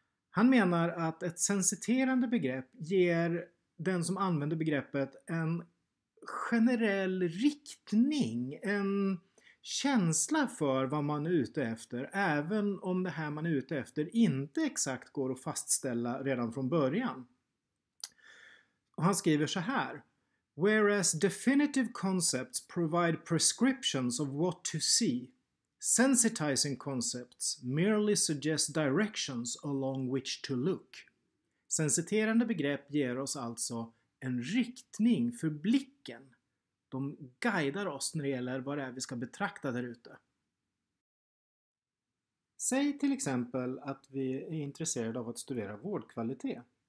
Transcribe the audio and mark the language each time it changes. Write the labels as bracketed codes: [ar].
[sv] Han menar att ett sensiterande begrepp ger den som använder begreppet en generell riktning, en känsla för vad man är ute efter, även om det här man är ute efter inte exakt går att fastställa redan från början. Och han skriver så här: [en] Whereas definitive concepts provide prescriptions of what to see, sensitizing concepts merely suggest directions along which to look. [sv] Sensiterande begrepp ger oss alltså en riktning för blicken. De guidar oss när det gäller vad det är vi ska betrakta där ute. Säg till exempel att vi är intresserade av att studera vårdkvalitet.